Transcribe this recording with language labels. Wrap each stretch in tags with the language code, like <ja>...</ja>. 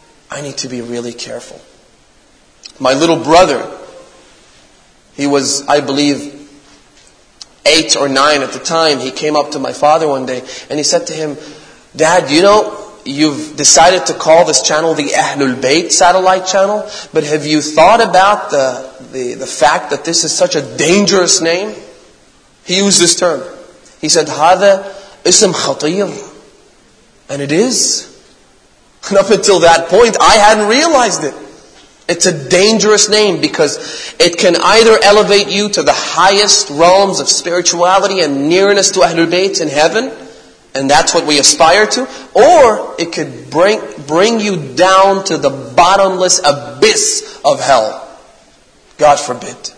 <en>I need to be really careful. My little brother, he was, I believe, 8 or 9 at the time, he came up to my father one day and he said to him, Dad, you know, you've decided to call this channel the Ahlul Bayt satellite channel, but have you thought about the fact that this is such a dangerous name? He used this term. He said,</en> <ar>هذا اسم خطير.</ar> <en>And it is. And up until that point, I hadn't realized it. It's a dangerous name because it can either elevate you to the highest realms of spirituality and nearness to Ahlul Bayt in heaven, and that's what we aspire to, or it could bring you down to the bottomless abyss of hell. God forbid.</en>